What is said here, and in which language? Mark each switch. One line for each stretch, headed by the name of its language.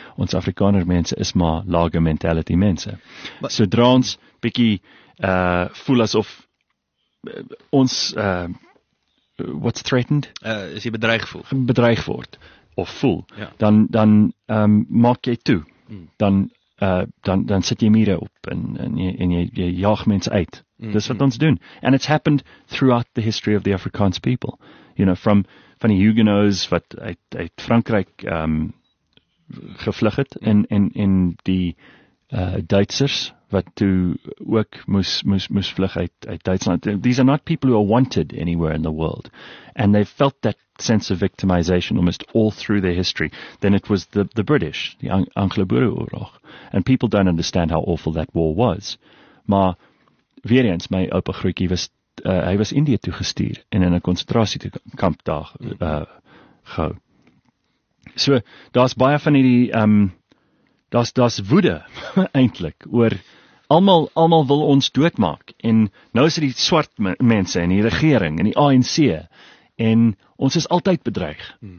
Afrikaans: Ons Afrikaner mense is maar lager mentality mense. Maar, sodra ons bietjie voel asof ons
English: what's threatened?
Afrikaans: As jy bedreig voel. Bedreig word of voel, ja. dan maak jy toe. Dan sit jy mure op en jy jaag mense uit. Dis wat ons doen.
English: And it's happened throughout the history of the Afrikaans people. You know,
Afrikaans: van die Huguenots wat uit Frankryk gevlug het en die Duitsers wat toe ook moes vlug uit Duitsland.
English: These are not people who are wanted anywhere in the world. And they felt that sense of victimization almost all through their history. Then it was the British, the Anglo-Boereoorlog. And people don't understand how awful that war was.
Afrikaans: Maar weer eens, my oupa Grootjie was hy was Indië toe gestuur en in 'n konsentrasiekamp daar gehou. So daar's baie van hierdie daar's woede eintlik oor almal wil ons doodmaak en nou is dit die swart mense in die regering in die ANC en ons is altyd bedreig.